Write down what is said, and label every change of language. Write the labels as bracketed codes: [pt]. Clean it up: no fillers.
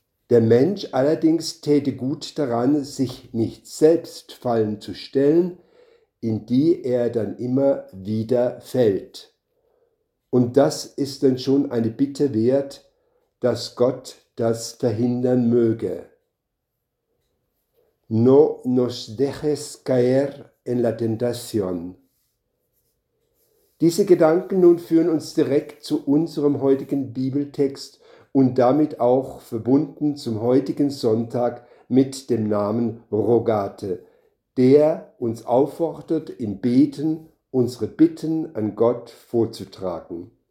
[de] Der Mensch allerdings täte gut daran, sich nicht selbst Fallen zu stellen, in die er dann immer wieder fällt. Und das ist denn schon eine Bitte wert, dass Gott das verhindern möge. [es] No nos dejes caer en la tentación. [de] Diese Gedanken nun führen uns direkt zu unserem heutigen Bibeltext und damit auch verbunden zum heutigen Sonntag mit dem Namen Rogate, der uns auffordert, im Beten unsere Bitten an Gott vorzutragen.